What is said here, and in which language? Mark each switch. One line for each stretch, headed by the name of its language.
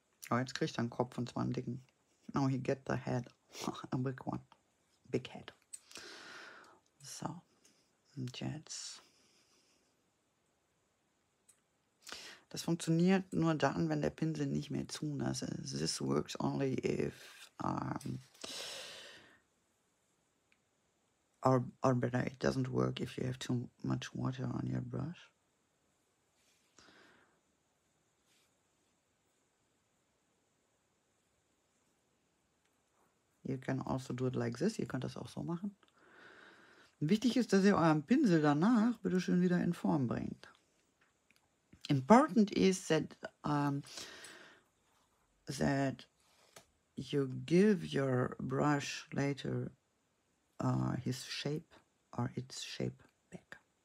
German: Oh, jetzt kriegt er einen Kopf und zwar einen dicken.
English: Now he get the head. A big one. Big head. So.
German: Und jetzt. Das funktioniert nur dann, wenn der Pinsel nicht mehr zu nass ist.
English: This works only if or better, it doesn't work if you have too much water on your brush. You can also do it like this.
German: Ihr könnt das auch so machen. Wichtig ist, dass ihr euren Pinsel danach bitte schön wieder in Form bringt.
English: Important is that that you give your brush later his shape or its shape back.